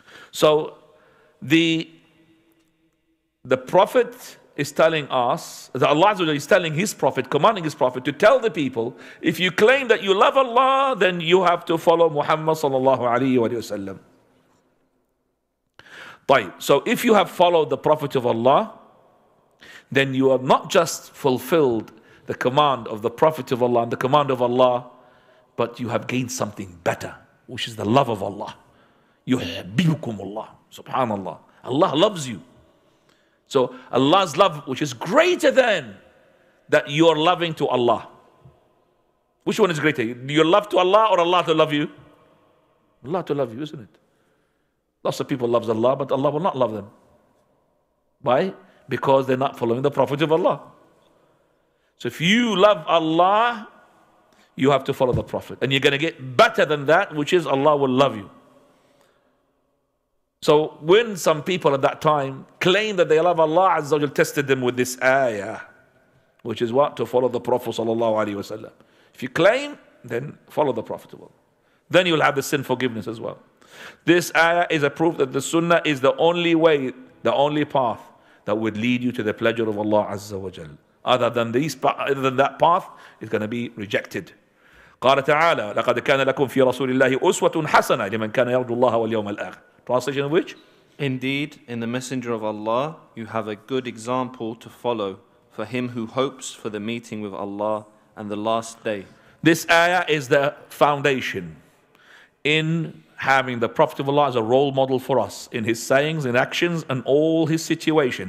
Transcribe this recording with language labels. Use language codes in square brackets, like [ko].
[en] So the Prophet is telling us, that Allah is telling his Prophet, commanding his Prophet to tell the people, if you claim that you love Allah, then you have to follow Muhammad sallallahu alayhi wa sallam. So if you have followed the Prophet of Allah, then you have not just fulfilled the command of the Prophet of Allah and the command of Allah, but you have gained something better, which is the love of Allah. [ar] يُحْبِبُكُمُ اللَّهِ Subhanallah. [en] Allah loves you. So Allah's love, which is greater than that you're loving to Allah. Which one is greater? Your love to Allah or Allah to love you? Allah to love you, isn't it? Lots of people love Allah, but Allah will not love them. Why? Because they're not following the Prophet of Allah. So if you love Allah, you have to follow the Prophet. And you're going to get better than that, which is Allah will love you. So when some people at that time claimed that they love Allah, Azza wa Jal tested them with this ayah, which is what? To follow the Prophet sallallahu alayhi wa sallam. If you claim, then follow the Prophet of Allah. Then you'll have the sin forgiveness as well. This ayah is a proof that the sunnah is the only way, the only path that would lead you to the pleasure of Allah Azza wa Jal. Other than that path, it's going to be rejected. [ar] قال تعالى لقد كان لكم في رسول الله أسوة حسنة لمن كان يرجو الله واليوم الآخر. [en] Translation of which? Indeed, in the Messenger of Allah, you have a good example to follow for him who hopes for the meeting with Allah and the last day. This ayah is the foundation in having the Prophet of Allah as a role model for us in his sayings, in actions, and all his situation.